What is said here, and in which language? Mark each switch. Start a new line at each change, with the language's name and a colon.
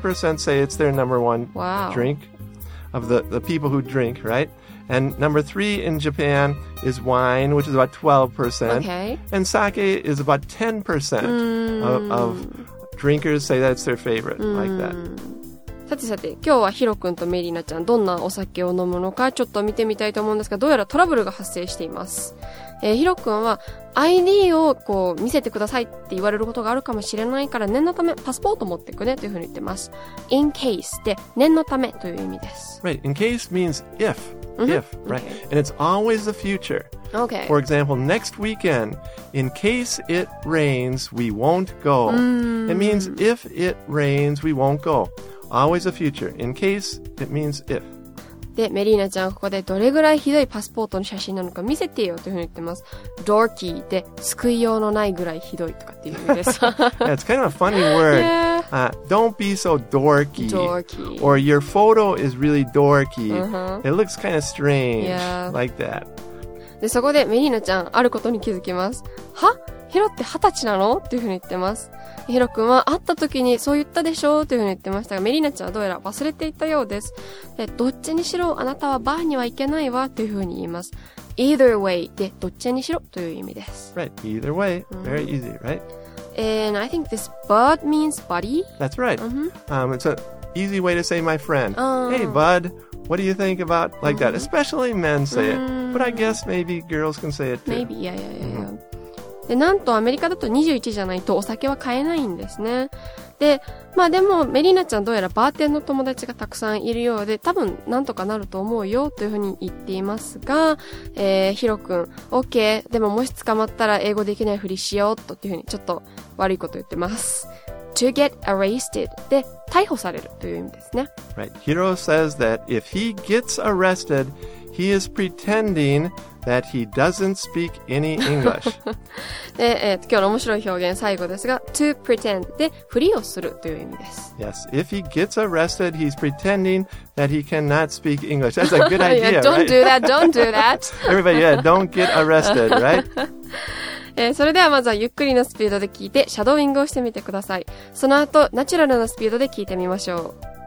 English: 17% say it's their number one drink of the people who drink, right? And number three in Japan is wine, which is about 12%. Okay. And sake is about 10% of drinkers say that's their favorite, like that.
Japanese: さてさて、今日はヒロ君とメリーナちゃん、どんなお酒を飲むのかちょっと見てみたいと思うんですが、どうやらトラブルが発生しています。ヒロ君は ID をこう見せてくださいって言われることがあるかもしれないから、念のためパスポート持ってくねというふうに言ってます。
English: In case
Japanese: で念のためという意味です。
English: Right, in case means if, if, right,、 okay. and it's always the future. Okay. For example, next weekend, in case it rains, we won't go. It means if it rains, we won't go. Always a future. In case, it means if.
Japanese: で、メリーナちゃんここでどれぐらいひどいパスポートの写真なのか見せてよというふうに言ってます。 Dorky で救いようのないぐらいひどいとかっていう意味です。
English: Yeah, it's kind of a funny word. Yeah. Don't be so dorky. Dorky. Or your photo is really dorky. Uh-huh. It looks kind of strange. Yeah. Like that.
Japanese: で、そこでメリーナちゃん、あることに気づきます。はヒロって二十歳なの?っていうふうに言ってます。ヒロ君は会った時にそう言ったでしょうというふうに言ってましたが、メリーナちゃんはどうやら忘れていたようです。で、どっちにしろあなたはバーには行けないわというふうに言います。
English: Either way
Japanese: で、どっちにしろという意味です。
English: Right, either way, very easy, right? And I think this bud means buddy. That's right.、 Mm-hmm. It's an easy way to say my friend. Hey, bud, what do you think about like that? Especially men say it. But I guess maybe girls can say it too. Maybe, yeah.、Mm-hmm.
Japanese: で、なんとアメリカだと21じゃないとお酒は買えないんですね。で、まあでもメリーナちゃんどうやらバーテンの友達がたくさんいるようで、多分なんとかなると思うよというふうに言っていますが、ヒロ君、OK、でももし捕まったら英語できないふりしようとっていうふうにちょっと悪いこと言ってます。
English: To get arrested
Japanese: で逮捕されるという意味ですね。
English: Right. Hiro says that if he gets arrested, he is pretending... that he doesn't speak any English.
Japanese: 今日の面白い表現最後ですが
English: to pretend
Japanese: でふりをするという意味です。
English: Yes, if he gets arrested, he's pretending that he cannot speak English. That's a good idea, yeah, don't right? Don't do that, don't do that. Everybody, yeah, don't get arrested, right?
Japanese: それではまずはゆっくりのスピードで聞いてシャドーイングをしてみてください。その後ナチュラルなスピードで聞いてみましょう。